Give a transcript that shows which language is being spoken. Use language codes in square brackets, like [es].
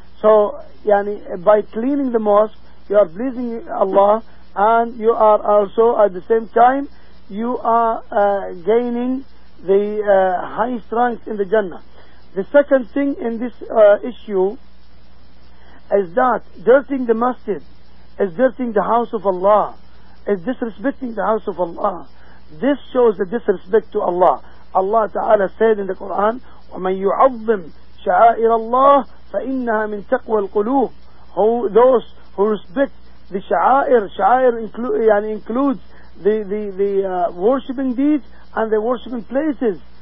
[en] So yani, by cleaning the mosque, you are pleasing Allah, and you are also at the same time you are gaining the highest ranks in the Jannah. The second thing in this issue is that dirtying the masjid is dirtying the house of Allah, is disrespecting the house of Allah. This shows the disrespect to Allah. Allah Ta'ala said in the Quran, [ar] وَمَنْ يُعَظِّمْ شَعَائِرَ اللَّهِ فَإِنَّهَا مِنْ تَقْوَى الْقُلُوبِ. [en] Those who respect the Sha'air includes the worshipping deeds and the worshipping places.